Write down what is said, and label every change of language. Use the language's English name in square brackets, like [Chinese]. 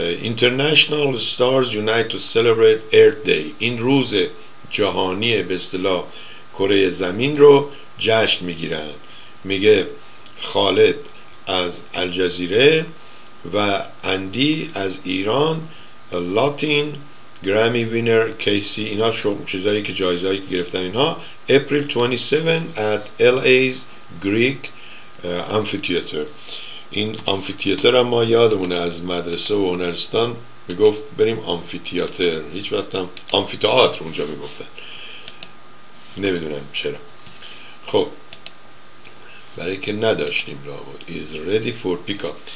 [English] International Stars Unite to Celebrate Earth Day، [Persian] این روز جهانی به اصطلاح کره زمین رو جشن میگیرن. میگه خالد از الجزیره و اندی از ایران، لاتین گرامی وینر کیسی، اینا چیزایی که جایزایی که گرفتن اینها. [English] April 27 at LA's Greek Amphitheater. [Persian] این آمفی‌تئاتر هم ما یادمونه از مدرسه و هنرستان، میگفت بریم آمفی‌تئاتر، هیچ وقت هم آمفی‌تئاتر اونجا میگفتن، نمیدونم چرا. خب برای که نداشتیم لابد. [English] Is ready for pick up.